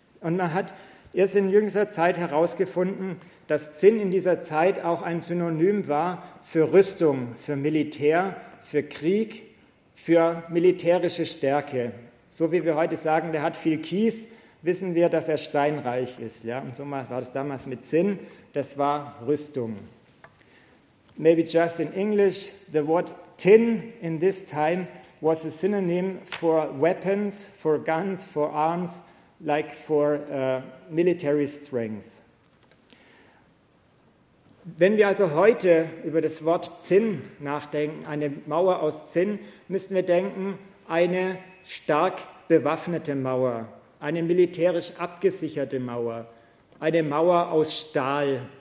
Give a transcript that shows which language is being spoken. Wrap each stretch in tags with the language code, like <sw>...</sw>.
<de>Und man hat erst in jüngster Zeit herausgefunden, dass Zinn in dieser Zeit auch ein Synonym war für Rüstung, für Militär, für Krieg, für militärische Stärke. So wie wir heute sagen, der hat viel Kies, wissen wir, dass er steinreich ist. Ja? Und so war das damals mit Zinn, das war Rüstung.</de> <en>Maybe just in English, the word tin in this time was a synonym for weapons, for guns, for arms, like for military strength.</en> <de>Wenn wir also heute über das Wort Zinn nachdenken, eine Mauer aus Zinn, müssen wir denken, eine stark bewaffnete Mauer, eine militärisch abgesicherte Mauer, eine Mauer aus Stahl.</de>